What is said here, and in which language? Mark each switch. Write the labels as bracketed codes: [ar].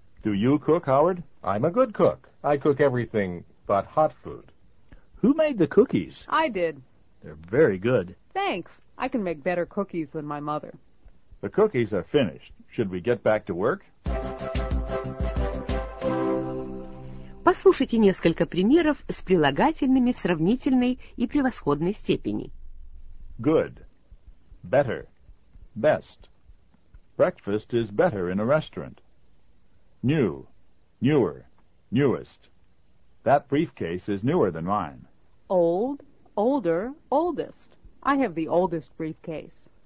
[en] Do you cook, Howard? I'm a good cook. I cook everything but hot food. Who made the cookies? I did. They're very good. Thanks. I can make better cookies than my mother. The cookies are finished. Should we get back to work? [ru] Послушайте несколько примеров с прилагательными в сравнительной и превосходной степени. [en] Good. Better. Best. Breakfast is better in a restaurant. New. Newer. Newest. That briefcase is newer than mine. Old. Older. Oldest. I have the oldest briefcase.